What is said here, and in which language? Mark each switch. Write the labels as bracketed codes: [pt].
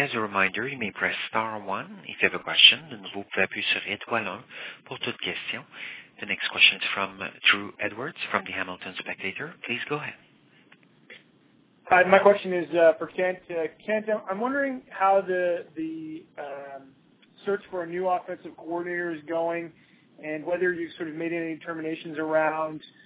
[en] As a reminder, you may press *1 if you have a question. [fr] De nouveau, vous pouvez appuyer sur *1 pour toute question. [en] The next question is from Drew Edwards from the Hamilton Spectator. Please go ahead. Hi, my question is for Kent. Kent, I'm wondering how the search for a new offensive coordinator is going, and whether you've sort of made any determinations around